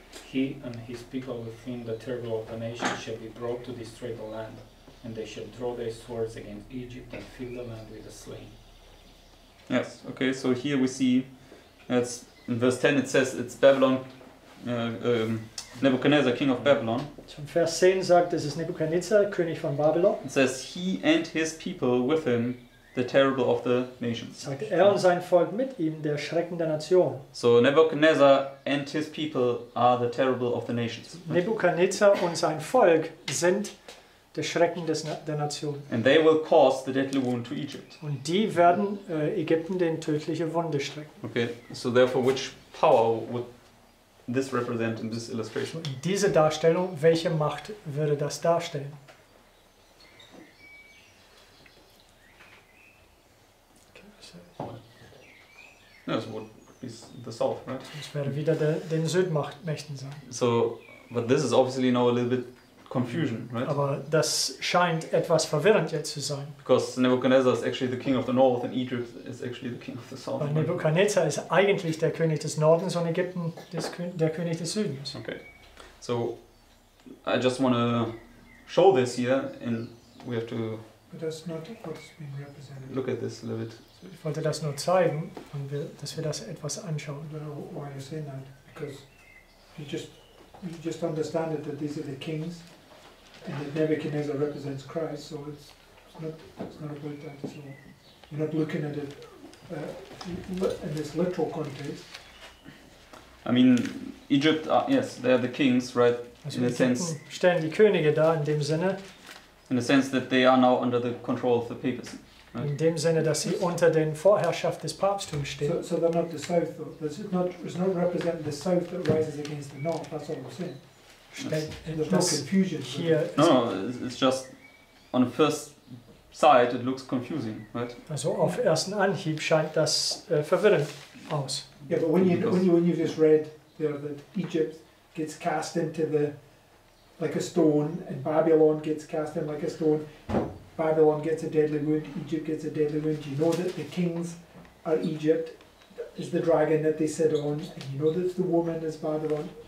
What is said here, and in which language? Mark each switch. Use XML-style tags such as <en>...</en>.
<en>He and his people within the terrible of the nation shall be brought to destroy the land, and they shall draw their swords against Egypt and fill the land with the slain. Yes, okay, so here we see, it's, in verse 10 it says it's Babylon, Nebuchadnezzar, king of Babylon.</en> <de>So in Vers 10 sagt, es ist Nebuchadnezzar, König von Babylon.</de> <en>It says he and his people with him, the terrible of the nations.</en> <de>Sagt er und sein Volk mit ihm, der Schrecken der Nation.</de> <en>So Nebuchadnezzar and his people are the terrible of the nations.</en> <de>Nebuchadnezzar und sein Volk sind der Schrecken des der Nation.</de> <en>And they will cause the deadly wound to Egypt.</en> <de>Und die werden Ägypten den tödliche Wunde strecken.</de> <en>Okay, so therefore which power would this represent in this illustration?</en> <de>Diese Darstellung, welche Macht würde das darstellen?</de> <en>Ja, so what is the south, right?</en> <de>Das wäre wieder den Südmächten sein.</de> <en>So, but this is obviously now a little bit confusion, right?</en> <de>Aber das scheint etwas verwirrend jetzt zu sein.</de> <en>Because Nebuchadnezzar is actually the king of the north and Egypt is actually the king of the south.</en> <de>Weil Nebuchadnezzar ist eigentlich der König des Nordens und Ägypten der König des Südens.</de> <en>Okay, so I just want to show this here and we have to but that's not what's being represented. Look at this a little bit.</en> <de>So ich wollte das nur zeigen, und dass wir das etwas anschauen.</de> <en>Why are you saying that? Because you just understand it that these are the kings and that Nebuchadnezzar represents Christ, so it's not about that at all. You're not looking at it in this literal context. I mean, Egypt, yes, they are the kings, right?</en> <de>Also</de> <en>in a sense,</en> <de>stellen die Könige da in dem Sinne.</de> <en>In the sense that they are now under the control of the papacy. Right?</en> <de>In dem Sinne, dass sie unter den Vorherrschaft des Papsttums stehen.</de> <en>So they're not the south, though. It's not representing the south that rises against the north, that's all we're saying. There's no confusion here. No, it's just on the first sight it looks confusing, right?</en> <de>Also auf ersten Anhieb scheint das verwirrend aus.</de> <en>Yeah, but when you just read there that Egypt gets cast into the like a stone and Babylon gets cast in like a stone, Babylon gets a deadly wound, Egypt gets a deadly wound. You know that the kings are Egypt, is the dragon that they sit on, and you know that the woman is Babylon.</en>